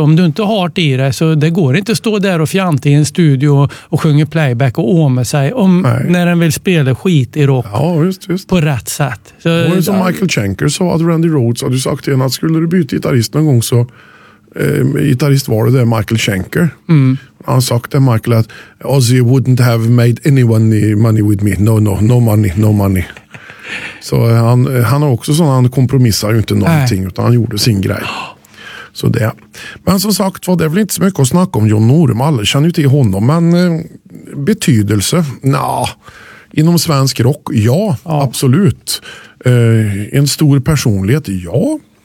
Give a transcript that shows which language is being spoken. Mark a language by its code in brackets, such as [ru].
[sv] Om du inte har hart i det, så det går inte att stå där och fjanta i en studio och sjunga playback och åma sig om när den vill spela skit i rock. Ja, just. På rätt sätt. Så, och det som Michael Schenker sa, att Randy Rhoads hade sagt till en att skulle du byta gitarrist någon gång, så gitarrist var det Michael Schenker. Mm. Han sa till Michael att [en] Ozzy wouldn't have made anyone money with me. No money. [sv] Så han har också sådana, han kompromissar ju inte någonting. Nej. Utan han gjorde sin grej. Så det. Men som sagt, det är väl inte så mycket att snacka om John Norum. Alla känner ju till honom, men betydelse? Inom svensk rock? Ja. Absolut. En stor personlighet? Ja.